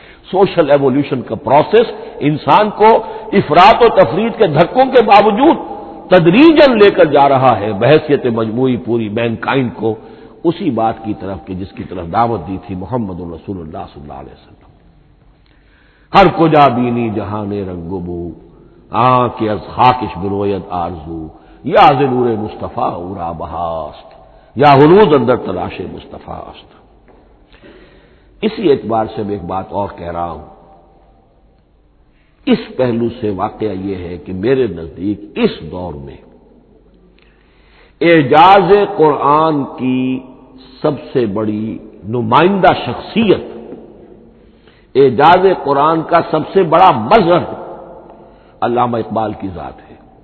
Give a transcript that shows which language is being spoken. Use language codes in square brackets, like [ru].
[ur] Social evolution کا process انسان کو افراط و تفرید کے دھکوں کے باوجود تدریجاً لے کر جا رہا ہے بحیثیت مجموعی پوری مینکائنڈ کو اسی بات کی طرف کہ جس کی طرف دعوت دی تھی محمد رسول اللہ صلی اللہ علیہ وسلم. [fa] ہر کجا بینی جہان رنگ و بو، آنکھ از خاکش برویت آرزو، یا ز نور مصطفیٰ اورا بہاست، یا حلود اندر تلاش مصطفیٰ است. [ur] اسی اعتبار سے میں ایک بات اور کہہ رہا ہوں، اس پہلو سے واقعہ یہ ہے کہ میرے نزدیک اس دور میں اعجاز قرآن کی سب سے بڑی نمائندہ شخصیت، اعجاز قرآن کا سب سے بڑا مظہر علامہ اقبال کی ذات ہے.